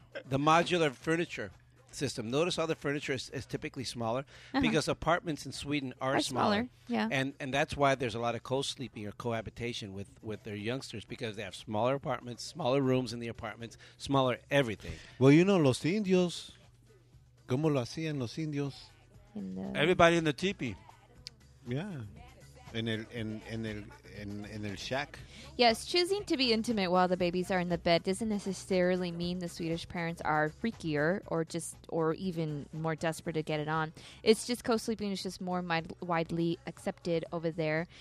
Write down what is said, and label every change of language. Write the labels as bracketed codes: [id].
[en] The modular furniture system. Notice all the furniture is typically smaller because apartments in Sweden are smaller. Yeah. And that's why there's a lot of co-sleeping or cohabitation with their youngsters because they have smaller apartments, smaller rooms in the apartments, smaller everything. Well, you know, [es] los indios, ¿cómo lo hacían los indios? [en] Everybody in the teepee. Yeah. In el shack. Yes, choosing to be intimate while the babies are in the bed doesn't necessarily mean the Swedish parents are freakier or even more desperate to get it on. It's just co-sleeping is just more widely accepted over there.